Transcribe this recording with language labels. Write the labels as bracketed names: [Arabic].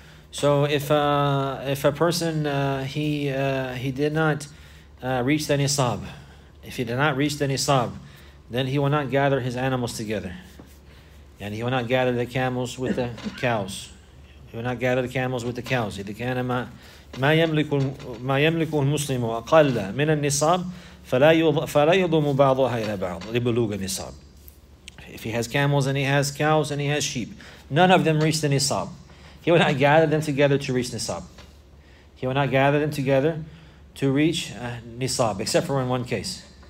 [English] So if a person he did not reach the nisab, if he did not reach the nisab, then he will not gather his animals together, and he will not gather the camels with the cows. [Arabic] إذا كان ما يملك المسلم أقل من النصاب فلا يضم بعضها إلى بعض لبلوغ النصاب. [English] If he has camels and he has cows and he has sheep, none of them reach the nisab. He will not gather them together to reach nisab. He will not gather them together to reach nisab, except for in one case.